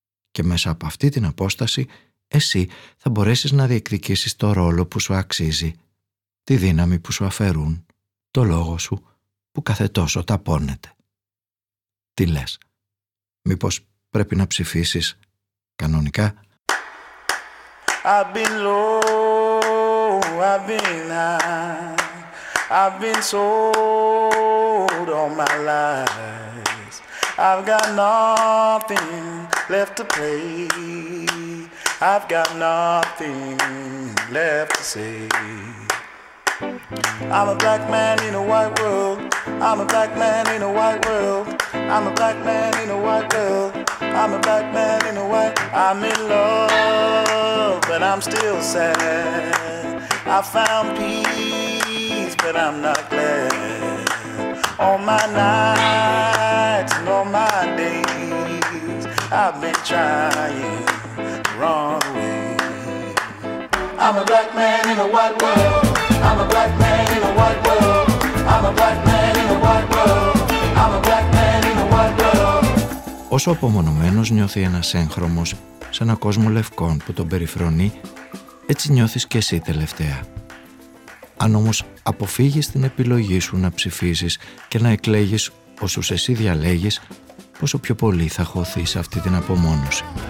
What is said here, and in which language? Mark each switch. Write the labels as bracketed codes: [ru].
[el] Και μέσα από αυτή την απόσταση εσύ θα μπορέσεις να διεκδικήσεις το ρόλο που σου αξίζει, τη δύναμη που σου αφαιρούν, το λόγο σου που κάθε τόσο ταπώνεται. Τι λες, μήπως πρέπει να ψηφίσεις κανονικά? [en] I've been low, I've been high. I've been sold all my lies. I've got nothing left to play. I've got nothing left to say. I'm a black man in a white world. I'm a black man in a white world. I'm a black man in a white world. I'm a black man in a white. I'm in love, but I'm still sad. I found peace, but I'm not glad. All my nights and all my days I've been trying the wrong way. I'm a black man in a white world. I'm a black man in a white world. I'm a black man in a white world. I'm a black man in a white world. [el] Όσο απομονωμένος νιώθει ένας έγχρωμος σε ένα κόσμο λευκών που τον περιφρονεί, έτσι νιώθεις και εσύ τελευταία. Αν όμως αποφύγεις την επιλογή σου να ψηφίσεις και να εκλέγεις όσους εσύ διαλέγεις, πόσο πιο πολύ θα χωθείς αυτή την απομόνωση.